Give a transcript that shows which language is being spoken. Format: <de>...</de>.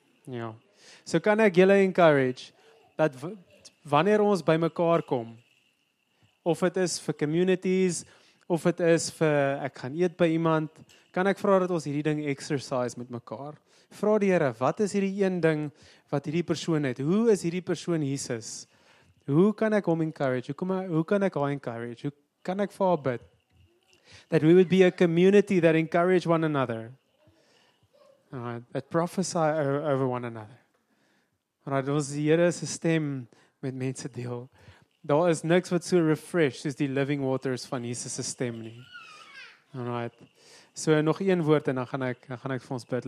<af>Ja, so kan ek julle encourage, dat wanneer ons by mekaar kom, of het is vir communities, of het is vir, ek gaan eet by iemand, kan ek vraag dat ons hierdie ding exercise met mekaar. Vraag die Here, wat is hierdie een ding wat hierdie persoon het? Hoe is hierdie persoon Jesus? Hoe kan ek hom encourage? Hoe kan ek haar encourage? Hoe kan ek vir haar bid?</af> <en>That we would be a community that encourage one another. That prophesy over one another. Right,</en> <af>ons die Here se stem met mense deel. Daar is niks wat so refresh soos die</af> <en>living waters</en> <af>van Jesus se stem nie.</af> <en>Alright.</en> <af>So nog een woord en dan gaan ek vir ons bid.</af>